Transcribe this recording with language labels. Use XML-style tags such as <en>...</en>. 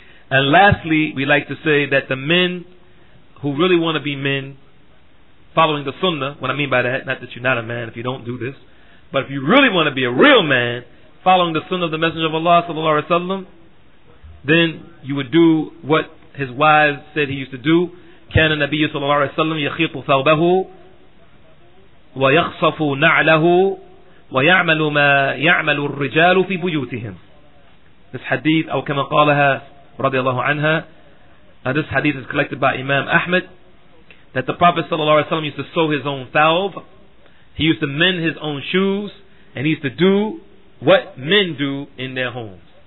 <en>And lastly, we like to say that the men who really want to be men following the sunnah, what I mean by that, not that you're not a man if you don't do this, but if you really want to be a real man following the sunnah of the Messenger of Allah sallallahu alaihi wasallam, then you would do what his wives said he used to do.</en> <ar>كان النبي صلى الله عليه وسلم يخيط ثوبه ويخصف نعله ويعمل ما يعمل الرجال في بيوتهم.</ar> <en>This hadith,</en> <ar>أو كما قالها رضي الله عنها,</ar> <en>this hadith is collected by Imam Ahmad, that the Prophet صلى الله عليه وسلم used to sew his own thawb, he used to mend his own shoes, and he used to do what men do in their homes.</en>